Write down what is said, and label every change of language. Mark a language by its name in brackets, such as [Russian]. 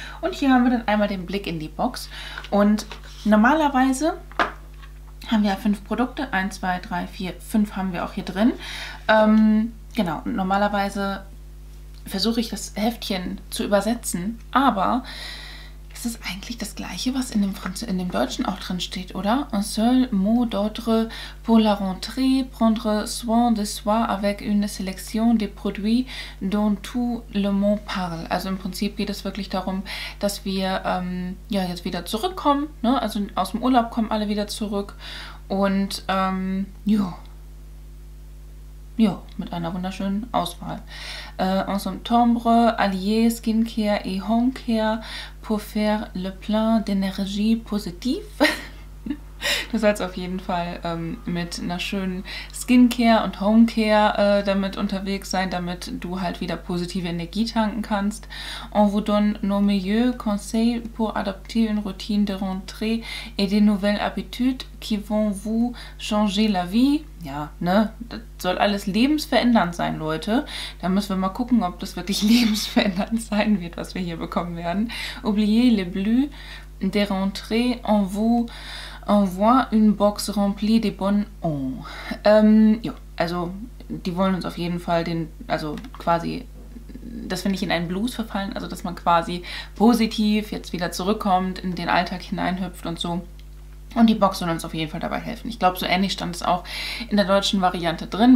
[German] Und hier haben wir dann einmal den Blick in die Box und normalerweise haben wir 5 Produkte, 1, 2, 3, 4, 5 haben wir auch hier drin, genau, und normalerweise versuche ich das Heftchen zu übersetzen, aber es ist eigentlich das gleiche, was in dem Deutschen auch drin steht, oder? [French] Un seul mot d'ordre pour la rentrée, prendre soin de soi avec une sélection de produits dont tout le monde parle. [German] Also im Prinzip geht es wirklich darum, dass wir ja, jetzt wieder zurückkommen, ne? Also aus dem Urlaub kommen alle wieder zurück und ja. Ja, mit einer wunderschönen Auswahl. [French] En septembre, Allier, Skincare et Home Care pour faire le plein d'énergie positive. [German] Das heißt auf jeden Fall mit einer schönen Skincare und Homecare damit unterwegs sein, damit du halt wieder positive Energie tanken kannst. [French] On vous donne nos meilleurs conseils pour adopter une routine de rentrée et des nouvelles habitudes qui vont vous changer la vie. [German] Ja, ne, das soll alles lebensverändernd sein, Leute. Da müssen wir mal gucken, ob das wirklich lebensverändernd sein wird, was wir hier bekommen werden. [French] Oubliez les bleus de rentrée en vous envoie une box remplie de bonbons. [German] Ja, also die wollen uns auf jeden Fall den, also quasi, dass wir nicht in einen Blues verfallen, also dass man quasi positiv jetzt wieder zurückkommt, in den Alltag hineinhüpft und so. Und die Box soll uns auf jeden Fall dabei helfen. Ich glaube, so ähnlich stand es auch in der deutschen Variante drin.